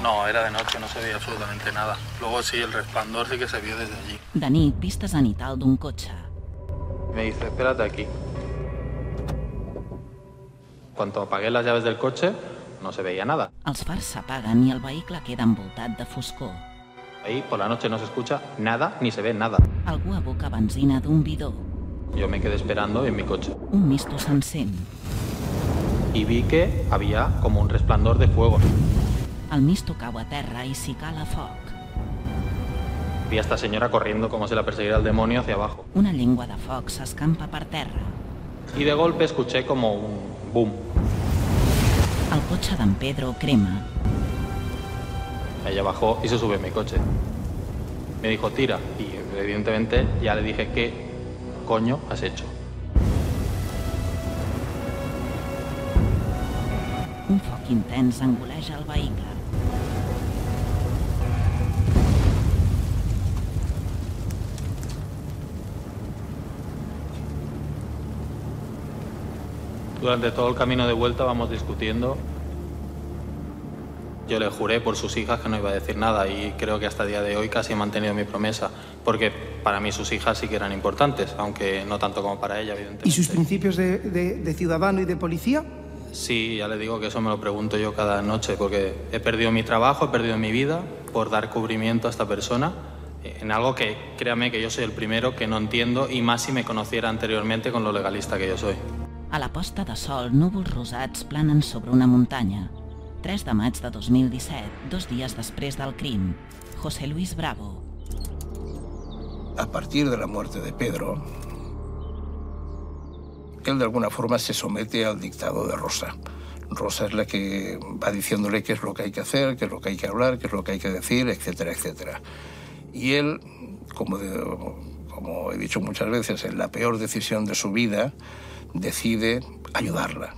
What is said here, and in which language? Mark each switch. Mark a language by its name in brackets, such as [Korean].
[Spanish] No, era de noche, no se veía absolutamente nada. Luego sí, el resplandor sí que se vio desde allí. Dani, pista sanital d'un coche. Me dice, espérate aquí. Cuando apagué las llaves del coche, no se veía nada. [Catalan] Els fars s'apaguen i el vehicle queda envoltat de foscor. [Spanish] Ahí, por la noche, no se escucha nada ni se ve nada. [Catalan] Algú aboca benzina d'un bidó. [Spanish] Yo me quedé esperando en mi coche. [Catalan] Un misto s'encén. [Spanish] Y vi que había como un resplandor de fuego. [Catalan] El misto cau a terra i s'hi cala foc. [Spanish] Vi a esta señora corriendo como si la perseguiera el demonio hacia abajo. [Catalan] Una lengua de foc s'escampa per terra. [Spanish] Y de golpe escuché como un boom. [Catalan] El cotxe d'en Pedro crema. [Spanish] Ella bajó y se sube a mi coche. Me dijo, tira. Y evidentemente ya le dije, ¿qué coño has hecho? [Catalan] Un foc intens engoleja el vehicle. [Spanish] Durante todo el camino de vuelta vamos discutiendo. Yo le juré por sus hijas que no iba a decir nada y creo que hasta el día de hoy casi he mantenido mi promesa, porque para mí sus hijas sí que eran importantes, aunque no tanto como para ella, evidentemente. ¿Y sus principios de ciudadano y de policía? Sí, ya le digo que eso me lo pregunto yo cada noche, porque he perdido mi trabajo, he perdido mi vida por dar cubrimiento a esta persona en algo que, créame, que yo soy el primero que no entiendo, y más si me conociera anteriormente con lo legalista que yo soy. [Catalan] A la posta de sol, núvols rosats planen sobre una muntanya. 3 de maig de 2017, dos dies després del crim. José Luis Bravo. [Spanish] A partir de la muerte de Pedro, él de alguna forma se somete al dictado de Rosa. Rosa es la que va diciéndole qué es lo que hay que hacer, qué es lo que hay que hablar, qué es lo que hay que decir, etcétera, etcétera. Y él, como he dicho muchas veces, en la peor decisión de su vida, decide ayudarla.